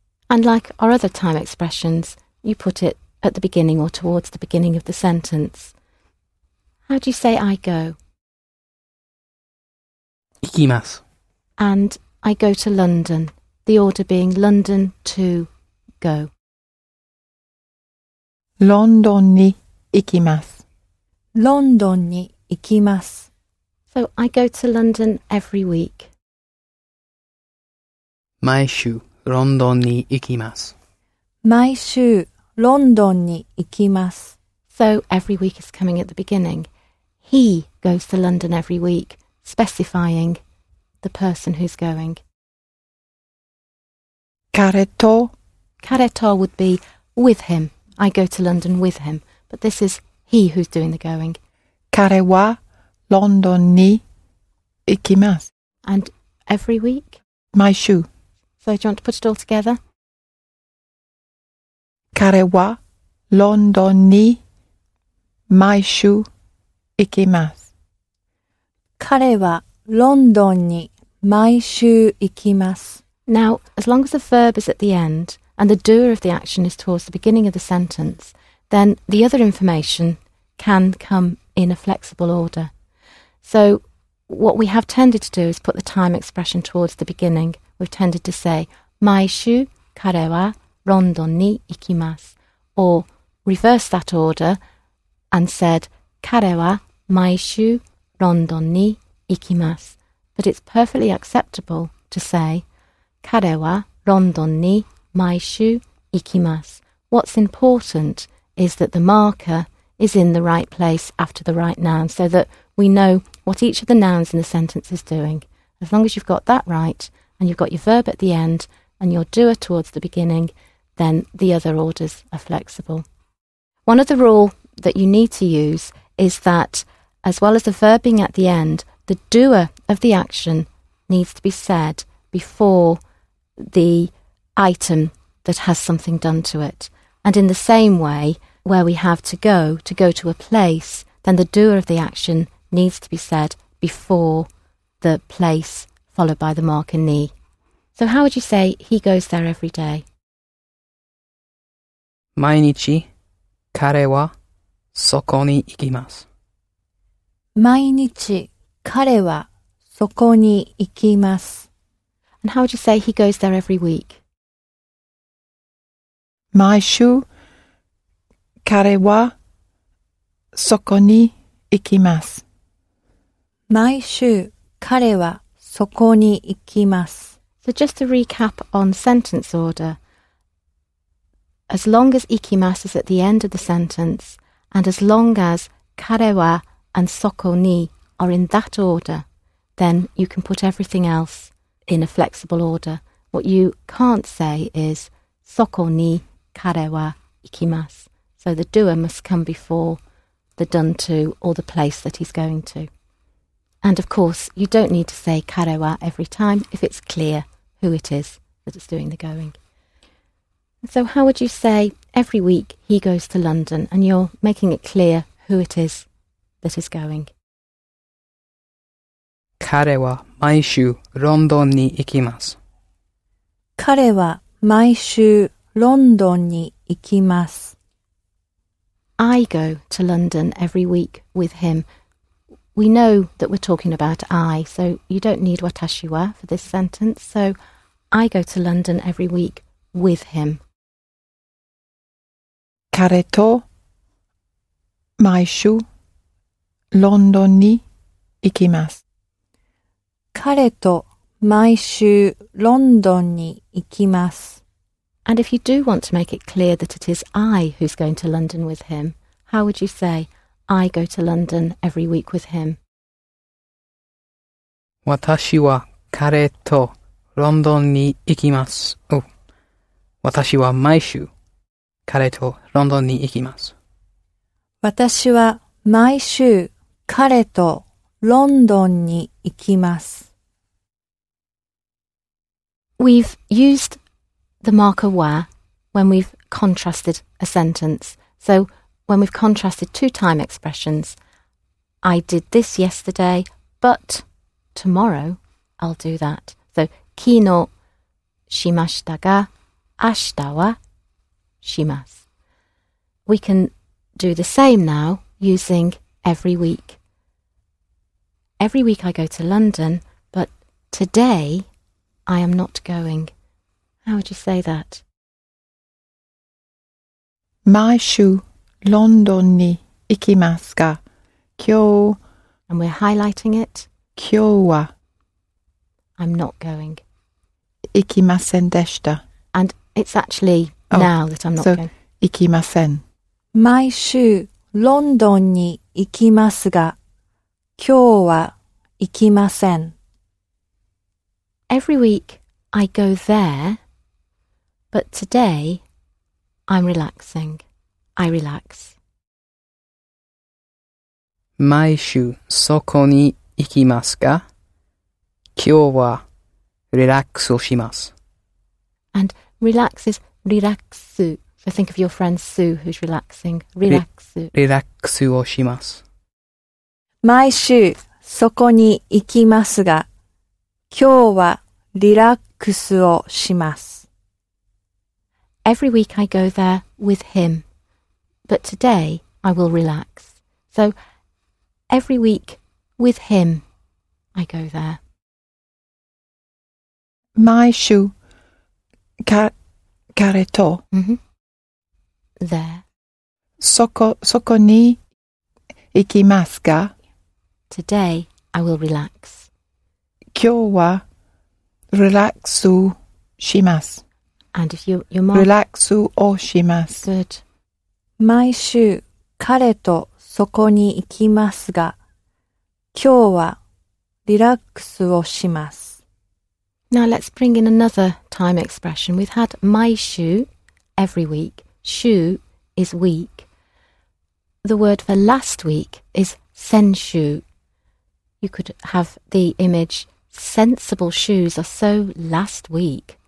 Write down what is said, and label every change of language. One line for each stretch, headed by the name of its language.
English: And like our other time expressions, you put it at the beginning or towards the beginning of the sentence. How do you say I go?
Japanese: 行きます.
English: And I go to London. The order being London to go.
Japanese: London に行きます. London に行きます.
English: So I go to London every week.
Japanese: 毎週 London に行きます. 毎週 London に行きます.
English: So every week is coming at the beginning. He goes to London every week, specifying the person who's going.
Japanese: 彼と彼と
English: would be with him. I go to London with him. But this is he who's doing the going.
Japanese: 彼はロンドンに行きます。
English: And every week?
Japanese: 毎週。
English: So do you want to put it all together?
Japanese: 彼はロンドンに毎週行きます。彼はロンドンに毎週行きます。
English: Now, as long as the verb is at the end and the doer of the action is towards the beginning of the sentence, then the other information can come in a flexible order. So what we have tended to do is put the time expression towards the beginning. We've tended to say,
Japanese: 毎週彼はロンドンに行きます.
English: Or reverse that order and said,
Japanese: 彼は毎週ロンドンに行きます.
English: But it's perfectly acceptable to say,
Japanese: 彼はロンドンに毎週行きます。
English: What's important is that the marker is in the right place after the right noun so that we know what each of the nouns in the sentence is doing. As long as you've got that right and you've got your verb at the end and your doer towards the beginning, then the other orders are flexible. One other rule that you need to use is that as well as the verb being at the end, the doer of the action needs to be said before the item that has something done to it. And in the same way, where we have to go to a place, then the doer of the action needs to be said before the place, followed by the marker ni. So how would you say he goes there every day?
Japanese: 毎日 彼はそこに行きます。毎日彼はそこに行きます。
English: And how would you say he goes there every week?
Japanese: 毎週彼はそこに行きます。毎週彼はそこに行きます。
English: So just to recap on sentence order, as long as ikimasu is at the end of the sentence, and as long as kare wa and soko ni are in that order, then you can put everything else in a flexible order. What you can't say is
Japanese: soko ni kare wa ikimasu.
English: So the doer must come before the done to or the place that he's going to. And of course, you don't need to say kare wa every time if it's clear who it is that is doing the going. So how would you say every week he goes to London and you're making it clear who it is that is going?
Japanese: 彼は毎週ロンドンに行きます。彼は毎週ロンドンに行きます。
English: I go to London every week with him. We know that we're talking about I, so you don't need 私は for this sentence. So I go to London every week with him.
Japanese: 彼と毎週ロンドンに行きます。彼と毎週ロンドンに行きます。
English: And if you do want to make it clear that it is I who's going to London with him, how would you say, I go to London every week with him?
Japanese: 私は彼とロンドンに行きます。 Oh, 私は毎週彼とロンドンに行きます。私は毎週彼とロンドンに行きます。
English: We've used the marker wa when we've contrasted a sentence. So when we've contrasted two time expressions, I did this yesterday, but tomorrow I'll do that.
Japanese: So 昨日しましたが明日はします。
English: We can do the same now using every week. Every week I go to London, but today I am not going. How would you say that?
Japanese: 毎週ロンドンに行きますが、今日。
English: And we're highlighting it.
Japanese: 今日は。
English: I'm not going.
Japanese: 行きませんでした。
English: And it's actually now that I'm not going.
Japanese: 行きません。毎週ロンドンに行きますが、今日は行きません。
English: Every week I go there, but today I'm relaxing. I relax.
Japanese: 毎週そこに行きますが、今日はリラックスをします。
English: And relax is リラックス. So think of your friend Sue who's relaxing.
Japanese: Relaxu. Relaxu をします。毎週そこに行きますが、今日はリラックスをします。
English: Every week I go there with him, but today I will relax. So every week with him I go there.
Japanese: 毎週彼と。
English: Mm-hmm. There.
Japanese: そこに行きますか?
English: Today, I will relax.
Japanese: 今日は、relaxu します。
English: And if you're more...
Japanese: relaxu をします。
English: Good.
Japanese: 毎週、彼とそこに行きますが、今日は、relaxをします。
English: Now, let's bring in another time expression. We've had 毎週, every week, 週, is week. The word for last week is senshu. You could have the image sensible shoes are so last week.